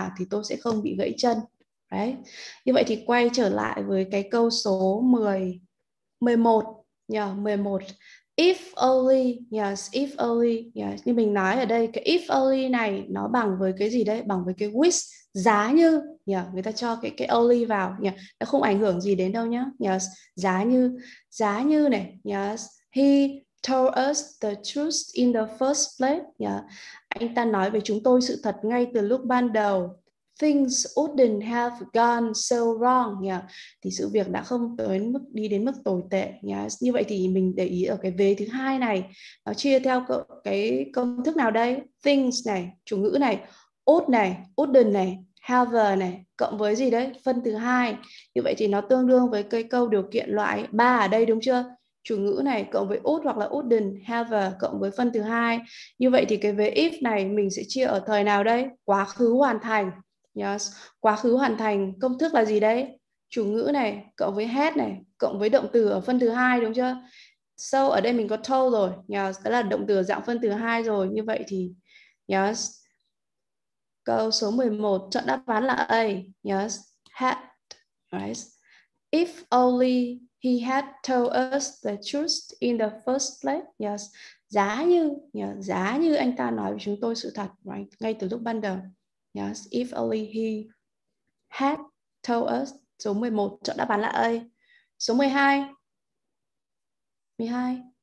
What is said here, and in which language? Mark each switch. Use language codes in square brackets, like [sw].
[vi] Thì tôi sẽ không bị gãy chân. Đấy. Như vậy thì quay trở lại với cái câu số 11. Yeah, 11. [en] If only, yes, if only. [vi] Yes. Như mình nói ở đây, cái if only này nó bằng với cái gì đấy? Bằng với cái wish. Giá như, người ta cho cái only vào, nó không ảnh hưởng gì đến đâu nhá. Yes. Giá như này, yes. [en] He told us the truth in the first place. Yeah. [vi] Anh ta nói về chúng tôi sự thật ngay từ lúc ban đầu. [en] Things wouldn't have gone so wrong. [vi] Yeah. Thì sự việc đã không tới mức đi đến mức tồi tệ. Yes. Như vậy thì mình để ý ở cái vế thứ hai này, nó chia theo cái công thức nào đây? Things này, chủ ngữ này. Ought này, wouldn't này, have này, cộng với gì đấy? Phân thứ hai. Như vậy thì nó tương đương với cái câu điều kiện loại 3 ở đây đúng chưa? Chủ ngữ này cộng với ought hoặc là wouldn't, have cộng với phân thứ hai. Như vậy thì cái vế if này mình sẽ chia ở thời nào đây? Quá khứ hoàn thành. Yes. Quá khứ hoàn thành công thức là gì đấy? Chủ ngữ này cộng với had này, cộng với động từ ở phân thứ hai đúng chưa? So ở đây mình có told rồi. Yes. Đó là động từ dạng phân thứ hai rồi. Như vậy thì yes. Câu số 11, chọn đáp án là A. Yes, had, right? [en] If only he had told us the truth in the first place. [vi] Yes, giá như, yeah, giá như anh ta nói với chúng tôi sự thật, right? Ngay từ lúc ban đầu. Yes, [en] if only he had told us. [vi] Số 11, chọn đáp án là A. Số 12. 12.